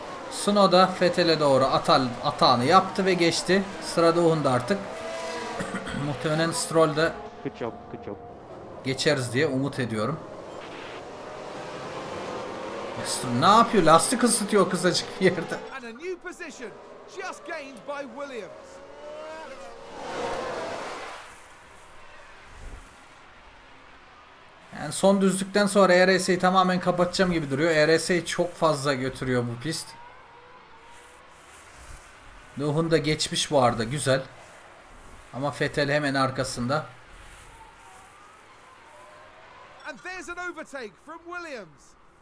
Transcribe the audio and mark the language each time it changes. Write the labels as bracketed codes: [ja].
[tr] Snow da Fetel'e doğru atağını yaptı ve geçti. Sıra Doğun'da artık. Muhtemelen Stroll de geçeriz diye umut ediyorum. Ne yapıyor? Lastik ısıtıyor kızacık bir yerde. [en] And a new position just gained by Williams. [tr] Yani son düzlükten sonra ERS'yi tamamen kapatacağım gibi duruyor. ERS'yi çok fazla götürüyor bu pist. Doğun da geçmiş bu arada, güzel. Ama Vettel hemen arkasında. [en] And there's an overtake from Williams.